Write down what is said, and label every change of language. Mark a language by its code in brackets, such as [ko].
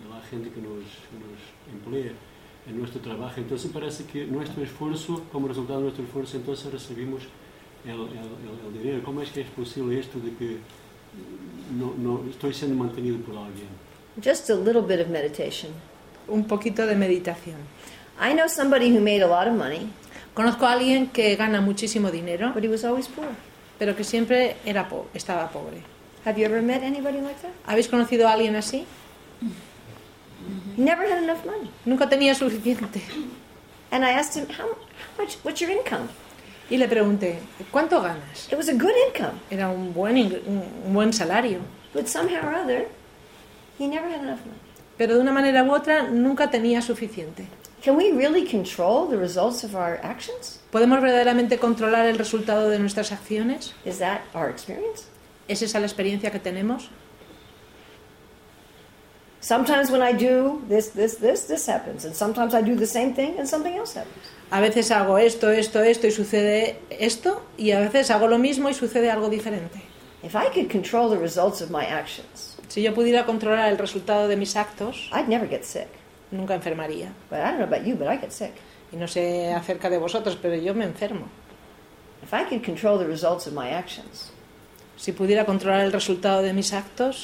[es] Gente que nos emplea en nuestro trabajo, entonces parece que nuestro esfuerzo, como resultado de nuestro esfuerzo, entonces recibimos el dinero. ¿Cómo es que es posible esto de que no estoy siendo mantenido por alguien? [en] Just a little bit of meditation. [es] Un poquito de meditación. [en] I know somebody who made a lot of money. [es] Conozco a alguien que gana muchísimo dinero, [en] but he was always poor. [es] Pero que siempre estaba pobre. [en] Have you ever met anybody like that? [es] ¿Habéis conocido a alguien así? [en] Never had enough money. [es] Nunca tenía suficiente. [en] And I asked him, how much? What's your income? [es] Y le pregunté, ¿cuánto ganas? [en] It was a good income. [es] Era un buen salario. [en] But somehow or other, he never had enough money. [es] Pero de una manera u otra, nunca tenía suficiente. [en] Can we really control the results of our actions? [es] ¿Podemos verdaderamente controlar el resultado de nuestras acciones? [en] Is that our experience? [es] ¿Es esa la experiencia que tenemos? [en] Sometimes when I do this happens, and sometimes I do the same thing and something else happens. [es] A veces hago esto y sucede esto, y a veces hago lo mismo y sucede algo diferente. [en] If I could control the results of my actions, [es] si yo pudiera controlar el resultado de mis actos, [en] I'd never get sick. [es] nunca enfermaría. [en] But I don't know about you, but I get sick. [es] Y no sé acerca de vosotros, pero yo me enfermo. [en] If I could control the results of my actions, [es] si pudiera controlar el resultado de mis actos,